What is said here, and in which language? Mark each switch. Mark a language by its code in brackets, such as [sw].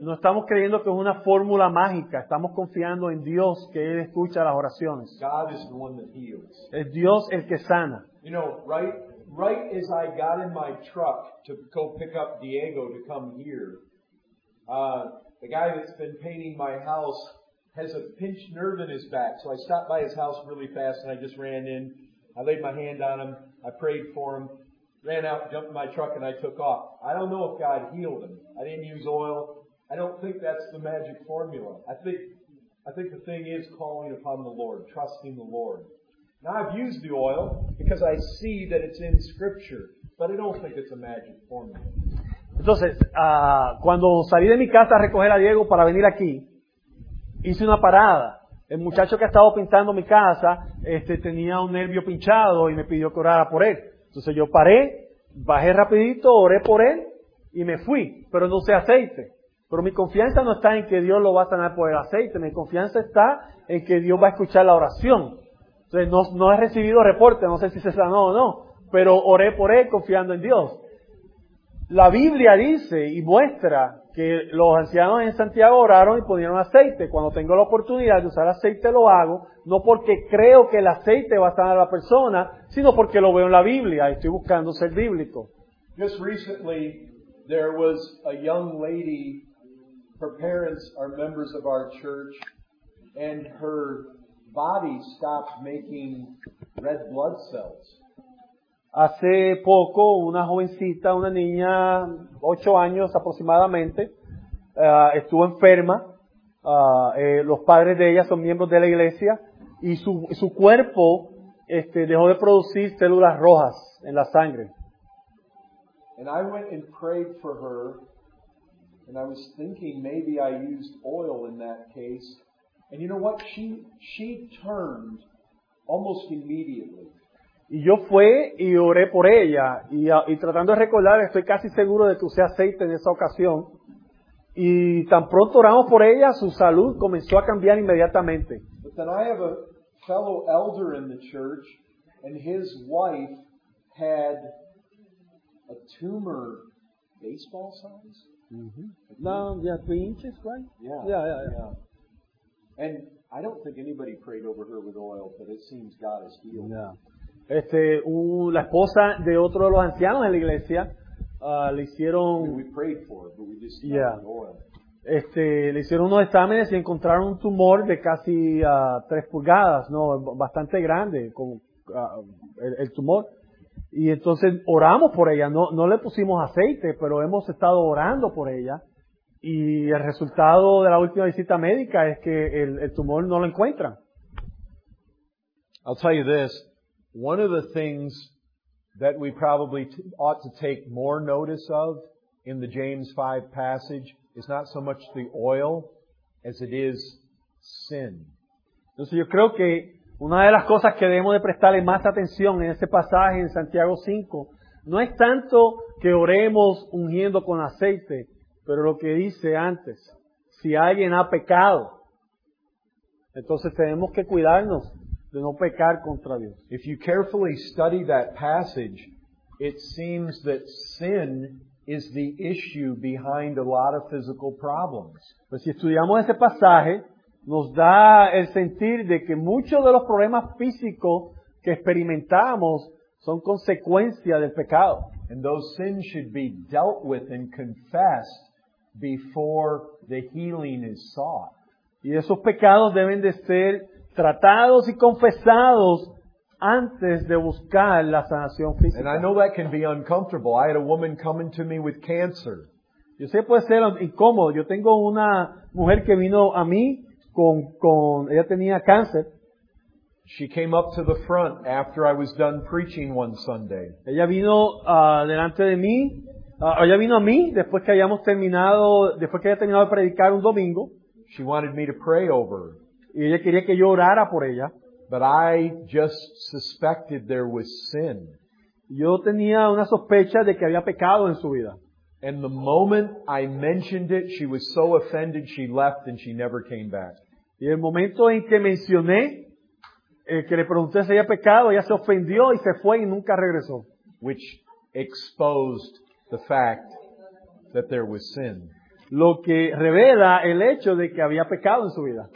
[es] No estamos creyendo que es una fórmula mágica. Estamos confiando en Dios, que Él escucha las oraciones. [en] God is the one that heals. [es] Es Dios el que sana. [en] You know, right? Right as I got in my truck to go pick up Diego to come here, the guy that's been painting my house has a pinched nerve in his back. So I stopped by his house really fast and I just ran in. I laid my hand on him. I prayed for him. Ran out, jumped in my truck, and I took off. I don't know if God healed him. I didn't use oil. I don't think that's the magic formula. I think the thing is calling upon the Lord, trusting the Lord. Now, I've used the oil because I see that it's in Scripture, but I don't think it's a magic formula. [es] Entonces, cuando salí de mi casa a recoger a Diego para venir aquí, hice una parada. El muchacho que ha estado pintando mi casa tenía un nervio pinchado y me pidió que orara por él. Entonces yo paré, bajé rapidito, oré por él y me fui, pero no usé aceite. Pero mi confianza no está en que Dios lo va a sanar por el aceite, mi confianza está en que Dios va a escuchar la oración. Entonces, no he recibido reporte, no sé si se sanó o no, pero oré por él confiando en Dios. La Biblia dice y muestra que los ancianos en Santiago oraron y pusieron aceite. Cuando tengo la oportunidad de usar aceite, lo hago, no porque creo que el aceite va a sanar a la persona, sino porque lo veo en la Biblia y estoy buscando ser bíblico. [en] Just recently, there was a young lady, her parents are members of our church, and her body stopped making red blood cells. [es] Hace poco, una jovencita, una niña, 8 años aproximadamente, estuvo enferma. Los padres de ella son miembros de la iglesia y su cuerpo dejó de producir células rojas en la sangre. [en] And I went and prayed for her, and I was thinking maybe I used oil in that case. And you know what? She turned almost immediately. [es] Y yo fui y oré por ella y tratando de recordar, estoy casi seguro de que usé aceite en esa ocasión. Y tan pronto oramos por ella, su salud comenzó a cambiar inmediatamente. [en] But then I have a fellow elder in the church, and his wife had a tumor baseball size. Mm-hmm. No, yeah, 3 inches, right? Yeah. And I don't think anybody prayed over her with oil, but it seems God has healed. Yeah. [es] La esposa de otro de los ancianos en la iglesia le hicieron. [en] We prayed for it, but we just got yeah. Oil. [es] Le hicieron unos exámenes y encontraron un tumor de casi 3 pulgadas, no, bastante grande, con el tumor. Y entonces oramos por ella. No le pusimos aceite, pero hemos estado orando por ella. Y el resultado de la última visita médica es que el tumor no lo encuentran. [en] I'll tell you this. One of the things that we probably ought to take more notice of in the James 5 passage is not so much the oil as it is sin. [es] Entonces yo creo que una de las cosas que debemos de prestarle más atención en este pasaje en Santiago 5 no es tanto que oremos ungiendo con aceite, pero lo que dice antes, si alguien ha pecado, entonces tenemos que cuidarnos de no pecar contra Dios. [en] If you carefully study that passage, it seems that sin is the issue behind a lot of physical problems. [es] Pues si estudiamos ese pasaje, nos da el sentir de que muchos de los problemas físicos que experimentamos son consecuencia del pecado. [en] And those sins should be dealt with and confessed before the healing is sought. [es] Y esos pecados deben de ser tratados y confesados antes de buscar la sanación física. [en] And I know that can be uncomfortable. I had a woman coming to me with cancer. [es] Yo sé, puede ser incómodo. Yo tengo una mujer que vino a mí con ella tenía cáncer. [en] She came up to the front after I was done preaching one Sunday. [es] Ella vino delante de mí. Ella vino a mí después que hayamos terminado, después que haya terminado de predicar un domingo. [en] She wanted me to pray over her. [es] Y ella quería que yo orara por ella. [en] But I just suspected there was sin. [es] Yo tenía una sospecha de que había pecado en su vida. [en] And the moment I mentioned it, she was so offended she left and she never came back. [es] Y el momento en que mencioné que le pregunté si había pecado, ella se ofendió y se fue y nunca regresó. [en] Which exposed the fact that there was sin. [es] Lo que revela el hecho de que había pecado en su vida.